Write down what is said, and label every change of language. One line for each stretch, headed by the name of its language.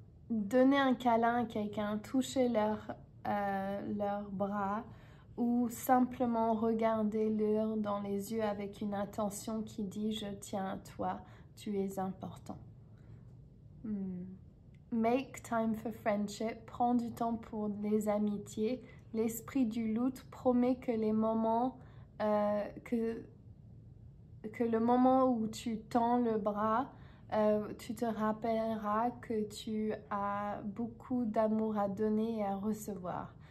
French: Donner un câlin à quelqu'un, toucher leur bras ou simplement regarder-leur dans les yeux avec une attention qui dit « je tiens à toi ». Tu es important.
English: Make time for friendship.
French: Prends du temps pour les amitiés. L'esprit du loutre promet que les moments que le moment où tu tends le bras, tu te rappelleras que tu as beaucoup d'amour à donner et à recevoir.